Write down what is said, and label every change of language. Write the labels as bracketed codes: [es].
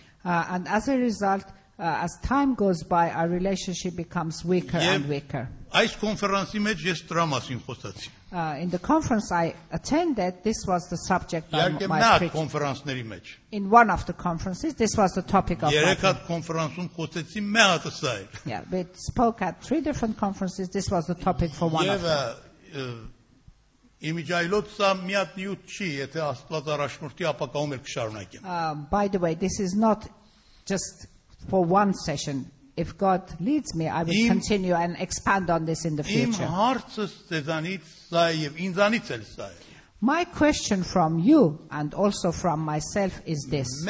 [en] And as a result, as time goes by, our relationship becomes weaker and weaker. [hy] Այս կոնֆերանսի մեջ ես դրա մասին խոսացի. [en] In the conference I attended, this was the subject of my speech. In one of the conferences, this was the topic of my speech. [hy] Երեք կոնֆերանսում խոսեցի մեծը սա էր. [en] Yeah, we spoke at three different conferences, this was the topic for one of them. [hy] Իմիջայլոտ սա մի հատ նյութ չի, եթե Աստված առաջնորդի ապակայում էլ կշարունակեմ. [en] By the way, this is not just for one session. If God leads me, I will continue and expand on this in the future. My question from you and also from myself is this.